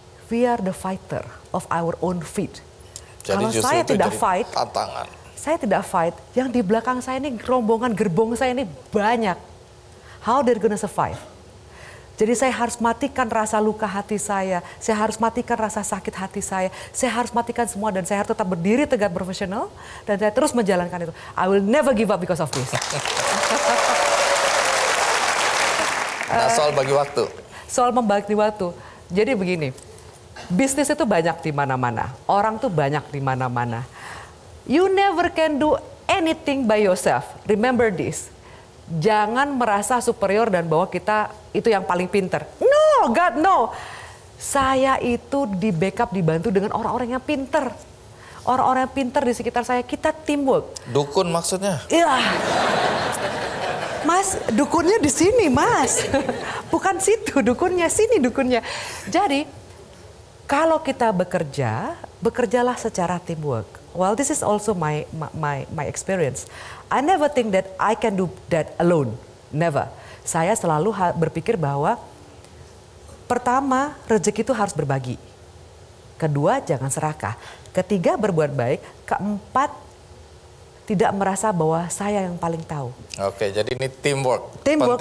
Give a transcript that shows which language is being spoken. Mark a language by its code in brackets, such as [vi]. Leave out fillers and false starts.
[en] We are the fighter of our own feet. [id] Jadi kalau saya tidak fight, tantangan. Saya tidak fight, yang di belakang saya ini rombongan gerbong saya ini banyak. [en] How they're gonna survive? [id] Jadi saya harus matikan rasa luka hati saya harus matikan rasa sakit hati saya harus matikan semua dan saya harus tetap berdiri tegak profesional dan saya terus menjalankan itu. [en] I will never give up because of this. [id] Nah, soal bagi waktu. Soal membagi waktu. Jadi begini, bisnis itu banyak di mana-mana. Orang tuh banyak di mana-mana. [en] You never can do anything by yourself. Remember this. [id] Jangan merasa superior dan bahwa kita itu yang paling pinter. [en] No, God, no. [id] Saya itu di backup, dibantu dengan orang-orang yang pinter. Orang-orang yang pinter di sekitar saya, kita teamwork. Dukun maksudnya? Iya. Mas, dukunnya di sini, Mas. Bukan situ dukunnya, sini dukunnya. Jadi, kalau kita bekerja, bekerjalah secara teamwork. [en] Well, this is also my experience. I never think that I can do that alone. Never. [id] Saya selalu berpikir bahwa pertama, rezeki itu harus berbagi. Kedua, jangan serakah. Ketiga, berbuat baik. Keempat, tidak merasa bahwa saya yang paling tahu. Oke, jadi ini teamwork. [en] Teamwork